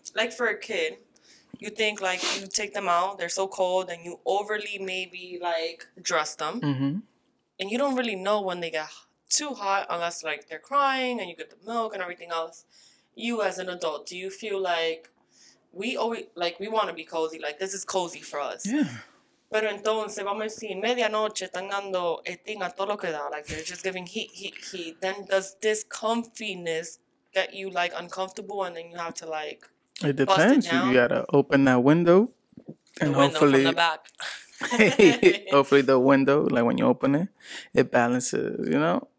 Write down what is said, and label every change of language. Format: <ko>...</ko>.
<en>Like, for a kid, you think, like, you take them out, they're so cold, and you overly maybe, like, dress them. Mm-hmm. And you don't really know when they get too hot unless, like, they're crying and you get the milk and everything else. You as an adult, do you feel like we always, like, we want to be cozy? Like, this is cozy for us. Yeah.</en> <es>Pero entonces, vamos a decir, medianoche, están dando etin a todo lo que da.</es> <en>Like, they're just giving heat. Then does this comfiness get you, like, uncomfortable and then you have to, like, it depends. Bust it down? You gotta open that window and the hopefully window from the back. Hopefully the window, like, when you open it, it balances, you know?</en>